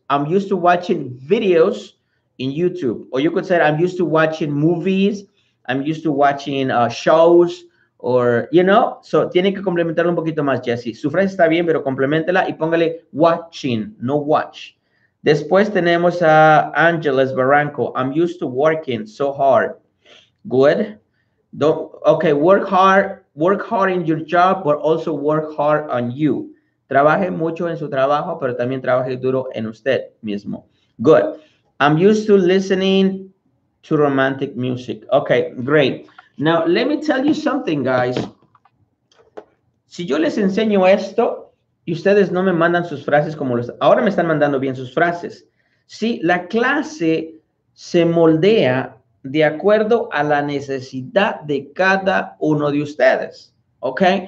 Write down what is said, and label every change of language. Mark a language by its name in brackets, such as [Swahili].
[English] I'm used to watching videos in YouTube. Or you could say I'm used to watching movies. I'm used to watching shows. Or, you know, so [Spanish] tiene que complementarlo un poquito más, Jesse. Su frase está bien, pero complementela y póngale watching, no watch. Después tenemos a Angeles Barranco. [English] I'm used to working so hard. Good. Okay, work hard in your job, but also work hard on you. [Spanish] Trabaje mucho en su trabajo, pero también trabaje duro en usted mismo. [English] Good. I'm used to listening to romantic music. Okay, great. Now, let me tell you something, guys. [Spanish] Si yo les enseño esto, y ustedes no me mandan sus frases como los... Ahora me están mandando bien sus frases. Sí, la clase se moldea de acuerdo a la necesidad de cada uno de ustedes, ¿ok?